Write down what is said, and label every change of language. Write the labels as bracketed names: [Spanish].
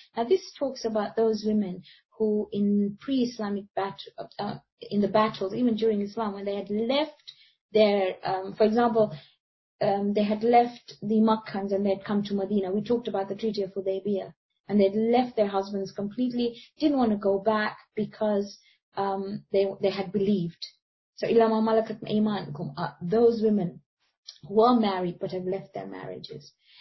[English] Now this talks about those women who in pre-Islamic in the battles, even during Islam, when they had left their, for example, they had left the Makkans and they had come to Medina. We talked about the Treaty of Hudaybiyah. And they'd left their husbands completely, didn't want to go back because they had believed. So, [Arabic] إِلَّا مَا مَلَكَتْ أَيْمَانُكُمْ. [English] Those women who were married but have left their marriages.